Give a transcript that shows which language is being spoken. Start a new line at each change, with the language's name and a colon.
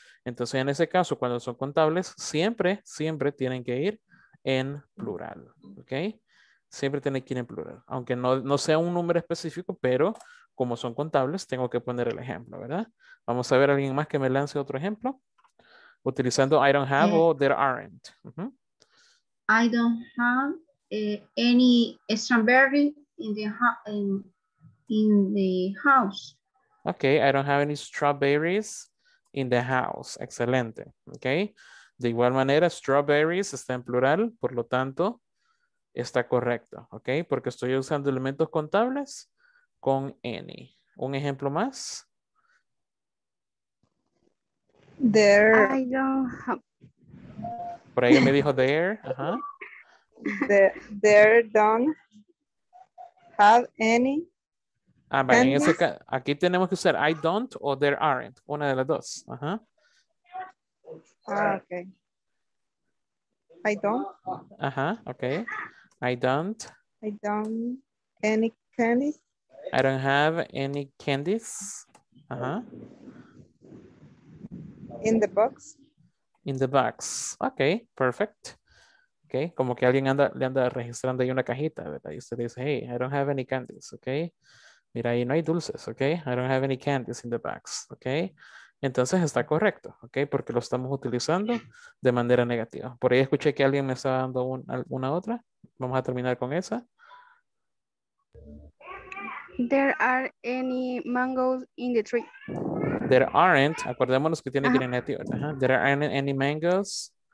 Spanish: Entonces, en ese caso, cuando son contables, siempre, siempre tienen que ir en plural, ¿ok? Siempre tiene que ir en plural. Aunque no sea un número específico, pero como son contables, tengo que poner el ejemplo, ¿verdad? Vamos a ver a alguien más que me lance otro ejemplo. Utilizando
English: I don't have
Spanish: o
English: there aren't. Uh-huh. I don't have any strawberry in the house. Okay, I don't have any strawberries in the house.
Spanish: Excelente. Okay. De igual manera, strawberries está en plural, por lo tanto, está correcto. Okay, porque estoy usando elementos contables con any. Un ejemplo más.
English: There.
Spanish: Por ahí me dijo there. Ajá.
English: There don't have any.
Spanish: Ah, vale. En ese caso, aquí tenemos que usar
English: I don't
Spanish: o
English: there aren't.
Spanish: Una de las dos. Ajá.
English: Ah, okay. I don't. Ajá. Okay. I don't any candies. I don't have any candies. Ajá. In the box.
Spanish: Okay, perfect. Okay, como que alguien anda, le anda registrando ahí una cajita, ¿verdad? Y usted dice,
English: hey, I don't have any candies, okay?
Spanish: Mira, ahí no hay dulces, okay?
English: I don't have any candies in the box,
Spanish: okay? Entonces está correcto, okay? Porque lo estamos utilizando de manera negativa. Por ahí escuché que alguien me estaba dando una otra. Vamos a terminar con esa.
English: There are any mangoes in the tree.
Spanish: There aren't, acordémonos que tiene que ir en negativo.
English: There aren't any mangoes